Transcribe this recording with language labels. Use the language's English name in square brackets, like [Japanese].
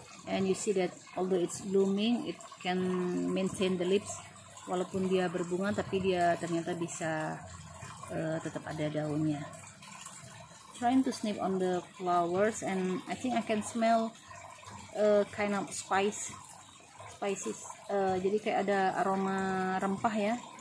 [English] And you see that although it's blooming, it can maintain the leaves. [Indonesian] Walaupun dia berbunga, tapi dia ternyata bisa tetap ada daunnya. [English] Trying to sniff on the flowers, and I think I can smell a kind of spices. [Indonesian] Jadi kayak ada aroma rempah ya.